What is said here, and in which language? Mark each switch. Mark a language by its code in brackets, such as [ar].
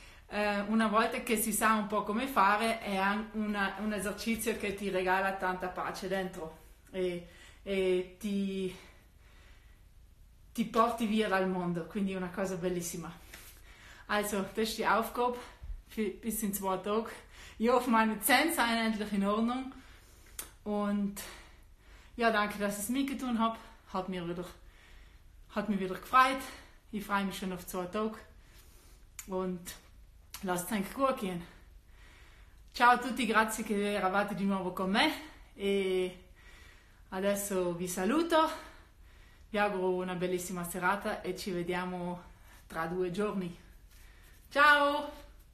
[it] Una volta che si sa un po' come fare, è un esercizio che ti regala tanta pace dentro e ti porti via dal mondo, quindi è una cosa bellissima. [de] Also, das ist die Aufgabe bis in zwei Tage. Ich hoffe, meine Zähne sind endlich in Ordnung. Und ja, danke, dass ich es mitgetan habe. Hat mich wieder gefreut. Ich freue mich schon auf zwei Tage. Und lasst es euch gut gehen. [it] Ciao a tutti, grazie che eravate di nuovo con me. E adesso vi saluto, vi auguro una bellissima serata e ci vediamo tra due giorni. Ciao!